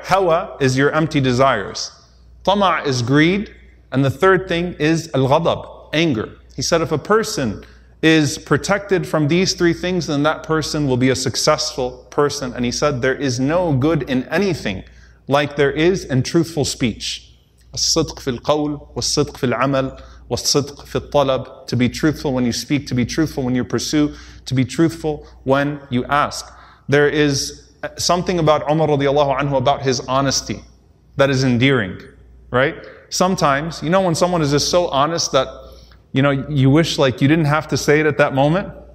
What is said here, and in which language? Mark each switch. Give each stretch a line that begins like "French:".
English: Hawa is your empty desires. Tama' is greed. And the third thing is al-ghadab, anger. He said if a person is protected from these three things, then that person will be a successful person. And he said there is no good in anything like there is in truthful speech.
Arabic: الصدق في القول والصدق في العمل والصدق في الطلب.
English: To be truthful when you speak, to be truthful when you pursue, to be truthful when you ask. There is something about Umar radiallahu anhu, about his honesty, that is endearing, right? Sometimes, you know, when someone is just so honest that, you know, you wish like you didn't have to say it at that moment.